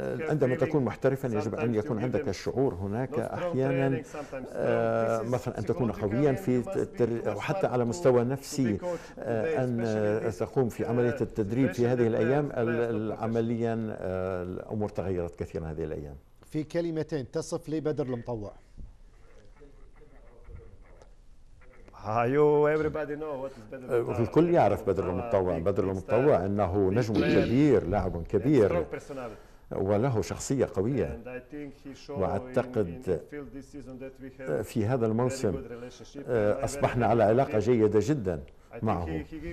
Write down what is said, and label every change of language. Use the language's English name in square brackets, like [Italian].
[Arabic] عندما تكون محترفا يجب أن يكون عندك الشعور هناك أحيانا مثلا أن تكون قويا في وحتى على مستوى نفسي أن تقوم في عملية التدريب في هذه الأيام. عمليا الأمور تغيرت كثيرا هذه الأيام. في كلمتين تصف لي بدر المطوع. [English] Hey you everybody know what is better. [Arabic] الكل يعرف بدر المطوع. بدر المطوع انه نجم كبير، لاعب كبير وله شخصيه قويه. واعتقد في هذا الموسم اصبحنا على علاقه جيده جدا معه.